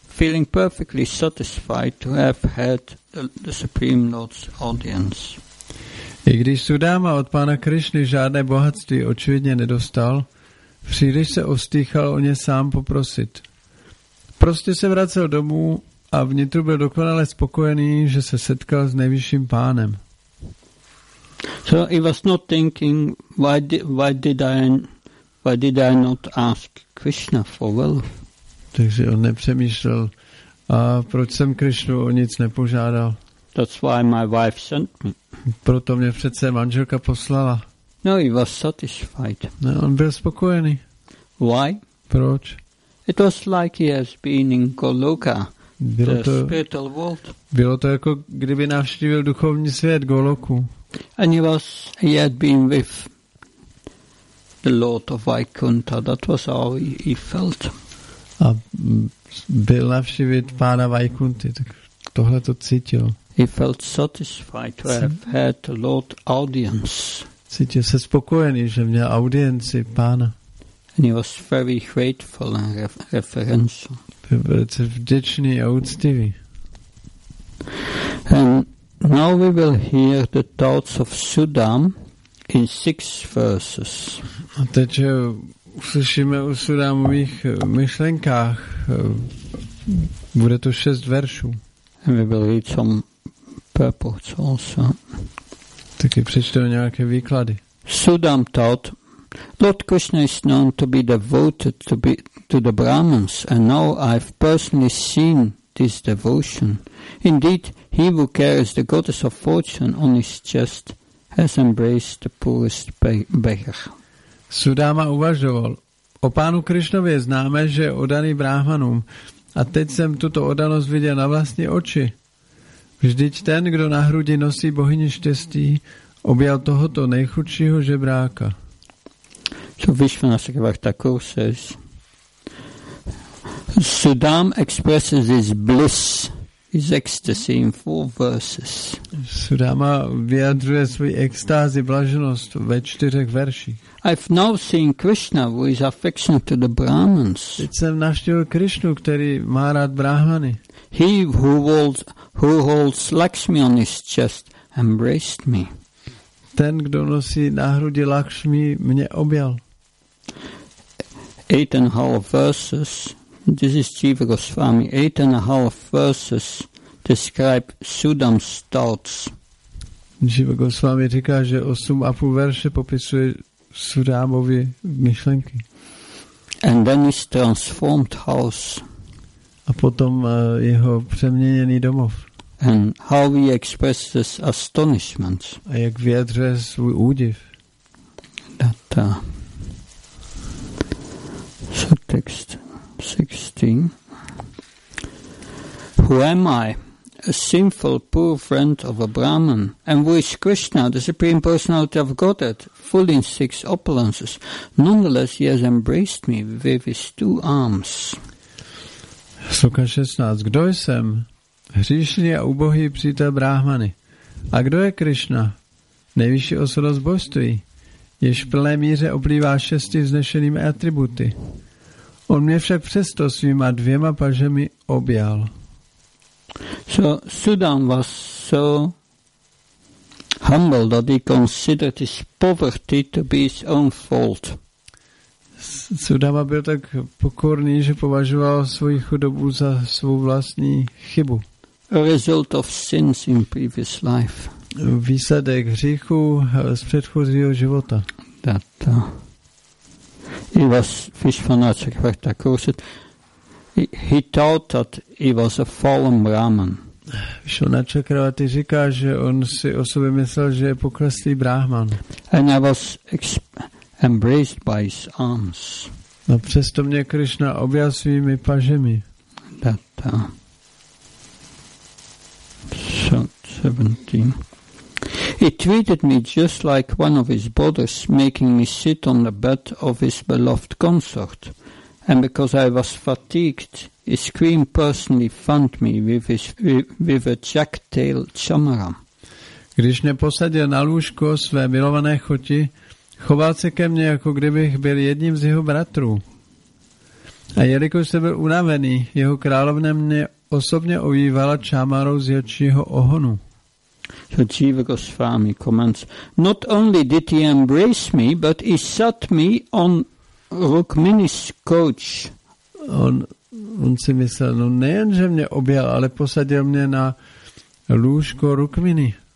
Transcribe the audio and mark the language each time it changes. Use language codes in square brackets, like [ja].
[en] feeling perfectly satisfied to have had the Supreme Lord's audience. [cs] I když Sudáma od pána Krišny žádné bohatství očividně nedostal, příliš se ostýchal o ně sám poprosit. Prostě se vracel domů a vnitru byl dokonale spokojený, že se setkal s nejvyšším pánem. [en] So he was not thinking why did I not ask Krishna for wealth? [cs] Takže on nepřemýšlel, a proč jsem Krišnu o nic nepožádal. [en] That's why my wife sent me. [cs] Proto mě přece manželka poslala. [en] No, he was satisfied. [cs] No, on byl spokojený. [en] Why? [cs] Proč? [en] It was like he has been in Goloka, the spiritual world. [cs] Bylo to jako kdyby navštívil duchovní svět Goloku. [en] And he had been with the Lord of Vaikuntha. That was how he felt. [cs] A byl navštívit pána Vaikunty, tak tohle to cítil. [en] He felt satisfied to have had the Lord audience. [cs] Cítil se spokojený, že měl audienci pána. [en] And he was very grateful and reverential. [cs] Byl velice vděčný a úctivý. [en] And now we will hear the thoughts of Sudam in 6 verses. [cs] A teď uslyšíme o Sudamových myšlenkách. Bude to 6 veršů. [en] And we will read some purports also. [cs] Taky přečteme nějaké výklady. [en] Sudam thought, Lord Krishna is known to be devoted to the Brahmins, and now I've personally seen this devotion. Indeed, he who carries the goddess of fortune on his chest has embraced the poorest beggar. [cs] Sudama uvažoval, o pánu Krišnovi je známe, že je odaný Brahmanům, a teď jsem tuto odanost viděl na vlastní oči. Vždyť ten, kdo na hrudi nosí bohyni štěstí, objal tohoto nejchudšího žebráka. [en] So Vishvanathakur says, Sudam expresses his bliss, his ecstasy in 4 verses. [cs] Sudama vyjadřuje svůj extázi, blaženost ve 4 verších. [en] I've now seen Krishna, who is affectionate to the Brahmins. [cs] Teď jsem navštívil Krišnu, který má rád Brahmany. [en] He who holds Lakshmi on his chest embraced me. [cs] Ten, kdo nosí na hrudi Lakshmi, mě objal. [en] 8.5 verses. This is Jiva Goswami. 8.5 verses describe Sudam's thoughts. [cs] Jiva Goswami říká, že 8.5 verše popisuje Sudamovi myšlenky. [en] And then his transformed house. [cs] A potom jeho přeměněný domov. [en] And how he expresses astonishment. [cs] A jak vyjadřuje svůj údiv. [en] That, so text 16. Who am I? A sinful, poor friend of a Brahman. And who is Krishna, the Supreme Personality of Godhead, fully in 6 opulences. Nonetheless, he has embraced me with his 2 arms. [cs] Sloka 16. Kdo jsem? Hříšný a ubohý přítel Brahmany. A kdo je Krišna? Nejvyšší osobnost božství, jež v plné míře oblívá 6 vznešenými atributy. On mě však přesto svýma 2 pažemi objal. [en] So Sudam was so humble that he considered his poverty to be his own fault. [cs] Sudama byl tak pokorný, že považoval svou chudobu za svou vlastní chybu. [en] A result of sins in previous life. [cs] Výsledek hříchu z předchozího života. [en] That he was Vishvanatha Chakravartakur said, he thought that he was a fallen Brahman. [cs] Vishvanatha Chakravarti říká, že on si o sobě myslel, že je pokleslý Brahman. [en] And I was embraced by his arms. [cs] No přesto mě Krišna objal svými pažemi. [en] That 17. He treated me just like one of his brothers, making me sit on the bed of his beloved consort. And because I was fatigued, he screamed personally, fanned me with a jack-tail chamara. [cs] Když mě posadil na lůžko své milované choti, choval se ke mně, jako kdybych byl jedním z jeho bratrů. A jelikož jsem byl unavený, jeho královna mě osobně ovívala čámarou z jačího ohonu. [en] So Jiva Goswami comments, not only did he embrace me, but he sat me on Rukmini's coach. [cs] On si myslel, no nejen, že mě objel, ale posadil mě na lůžko Rukmini.